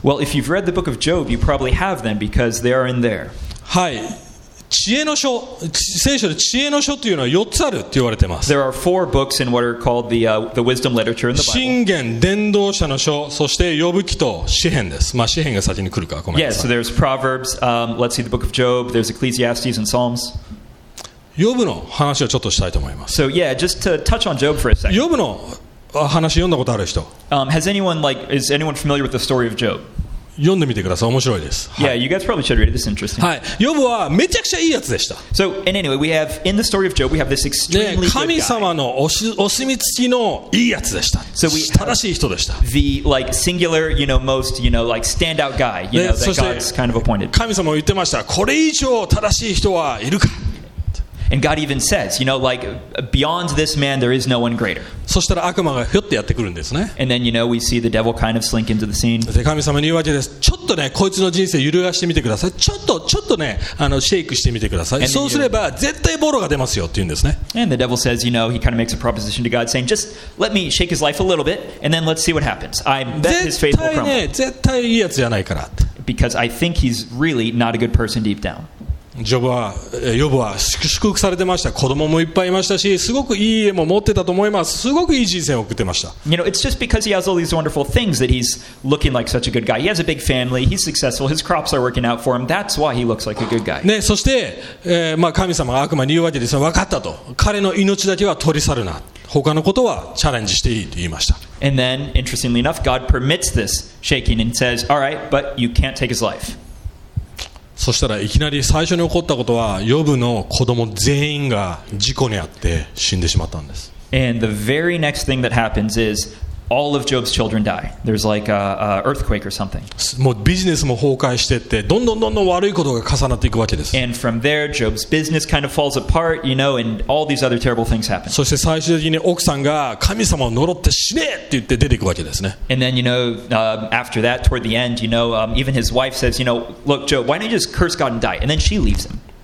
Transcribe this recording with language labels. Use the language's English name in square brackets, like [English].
[English] Well, if you've read the book of Job, you probably have then, because they are in there. [Japanese] はい、知恵の書、聖書で知恵の書というのは4つあるって言われてます。 [English] There are four books in what are called the wisdom literature in the Bible. [Japanese] 箴言、伝道者の書、そして呼ぶ記と詩編です。まあ詩編が先に来るかごめんなさい。 [English] Yes, so there's Proverbs. Let's see the book of Job. There's Ecclesiastes and Psalms. [Japanese] 呼ぶの話をちょっとしたいと思います。 [English] So yeah, just to touch on Job for a second. [Japanese] 呼ぶの話読んだことある人。 [English] Is anyone familiar with the story of Job? [Japanese] 読んでみてください。面白いです。 [English] Yeah, you guys probably should read it. This is interesting. [Japanese] はい。ヨブはめちゃくちゃいいやつでした。 [English] So, and anyway, we have in the story of Job, we have this extremely good guy. [Japanese] 神様のお墨付きのいいやつでした。 [English] So we [Japanese] 正しい人でした。 [English] The like singular, you know, most, you know, like standout guy, you know, that God's kind of appointed. [Japanese] 神様も言ってました。これ以上正しい人はいるか。 [English] And God even says, you know, like, beyond this man, there is no one greater. [Japanese] そしたら悪魔がひょってやってくるんですね。 [English] And then, you know, we see the devil kind of slink into the scene. [Japanese] で、神様に言うわけです。ちょっとね、こいつの人生揺るがしてみてください。ちょっとね、シェイクしてみてください。そうすれば、絶対ボロが出ますよって言うんですね。 [English] And the devil says, you know, he kind of makes a proposition to God saying, just let me shake his life a little bit, and then let's see what happens. I bet his faith will crumble. [Japanese] 絶対いいやつじゃないから。 [English] Because I think he's really not a good person deep down. [Japanese] ヨブは祝福されてました。子供もいっぱいいましたし、すごくいい家も持ってたと思います。すごくいい人生を送ってました。 [English] You know, it's just because he has all these wonderful things that he's looking like such a good guy. He has a big family. He's successful. His crops are working out for him. That's why he looks like a good guy. [Japanese] ね、そして、まあ、神様が悪魔に言うわけですが、分かったと。彼の命だけは取り去るな。他のことはチャレンジしていいと言いました。 [English] And then, interestingly enough, God permits this shaking and says, all right, but you can't take his life. [Japanese] そしたらいきなり最初に起こったことはヨブの子供全員が事故にあって死んでしまったんです。 [English] And the very next thing that happens is all of Job's children die. There's like an earthquake or something. [Japanese] もうビジネスも崩壊してって、どんどんどんどん悪いことが重なっていくわけです。 [English] And from there, Job's business kind of falls apart, you know, and all these other terrible things happen. [Japanese] そして最終的に奥さんが神様を呪って死ねって言って出ていくわけですね。 [English] And then, you know, after that, toward the end, you know, even his wife says, you know, look, Job, why don't you just curse God and die? And then she leaves him.